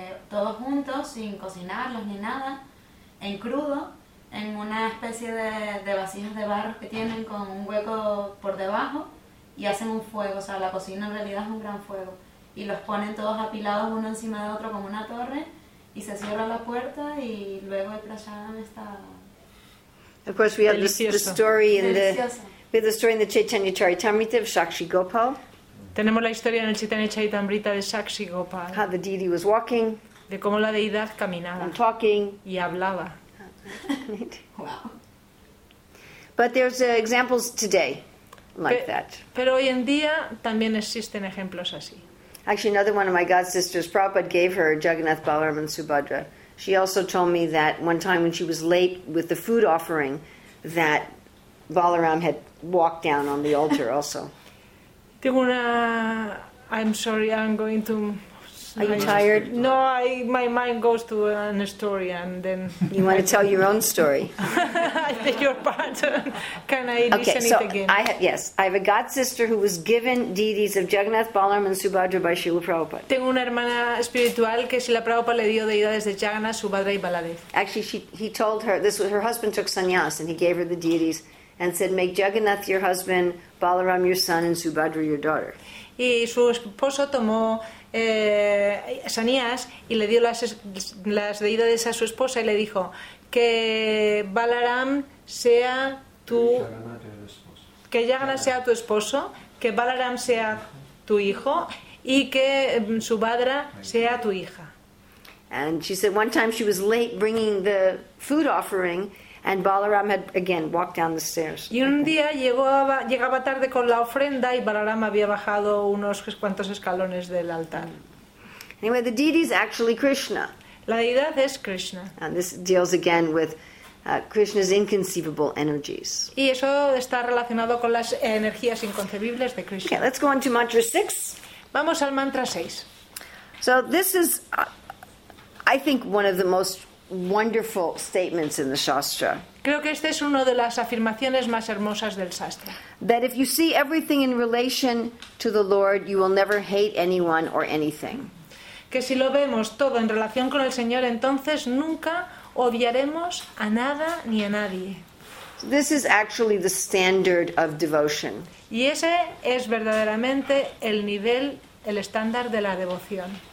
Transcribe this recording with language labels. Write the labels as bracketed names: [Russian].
[Spanish] todos juntos, sin cocinarlos ni nada, en crudo, en una especie de vasijas de barro que tienen con un hueco por debajo, y hacen un fuego. O sea, la cocina en realidad es un gran fuego, y los ponen todos apilados uno encima de otro como una torre, y se cierra la puerta, y luego el prasadam está delicioso. [English] Of course we have the story in the Chaitanya Charitamrita of Sakshi Gopal. [Spanish] Tenemos la historia en el Chaitanya Charitamrita de Sakshi Gopal. [English] How the deity was walking. [Spanish] De cómo la deidad caminaba. [English] And talking. [Spanish] Y hablaba. [English] Wow. But there's examples today like that. [Spanish] Pero hoy en día también existen ejemplos así. [English] Actually, another one of my god sisters, Prabhupada gave her Jagannath Balaram and Subhadra. She also told me that one time when she was late with the food offering, that Balaram had walked down on the altar also. I'm sorry, I'm going to... Are you tired? No, my mind goes to a story and then... You want to tell your own story? I beg your pardon. Can I listen again? I have a god sister who was given deities of Jagannath Balaram and Subhadra by Srila Prabhupada. [Spanish] Tengo una hermana espiritual que Srila Prabhupada le dio deidades de Jagannath, Subhadra y Baladev. [English] Actually, he told her, this was her husband took sannyas and he gave her the deities and said, make Jagannath your husband, Balaram your son, and Subhadra your daughter. [Spanish] Y su esposo tomó sannyas y le dio las deidades a su esposa y le dijo que Balaram sea tu esposo. Que Jagannath sea tu esposo, que Balaram sea tu hijo y que Subhadra sea tu hija. [English] And she said one time she was late bringing the food offering. And Balaram had again walked down the stairs. [Spanish] Y un día llegaba tarde con la ofrenda y Balaram había bajado unos cuantos escalones del altar. [English] Anyway, the deity is actually Krishna. [Spanish] La deidad es Krishna. [English] And this deals again with Krishna's inconceivable energies. [Spanish] Y eso está relacionado con las energías inconcebibles de Krishna. [English] Okay, let's go on to mantra 6. [Spanish] Vamos al mantra 6. [English] So this is, I think, one of the most wonderful statements in the Shastra. [Spanish] Creo que este es uno de las afirmaciones más hermosas del Shastra. [English] That if you see everything in relation to the Lord, you will never hate anyone or anything. [Spanish] Que si lo vemos todo en relación con el Señor, entonces nunca odiaremos a nada ni a nadie. [English] This is actually the standard of devotion. [Spanish] Y ese es verdaderamente el nivel, el estándar de la devoción.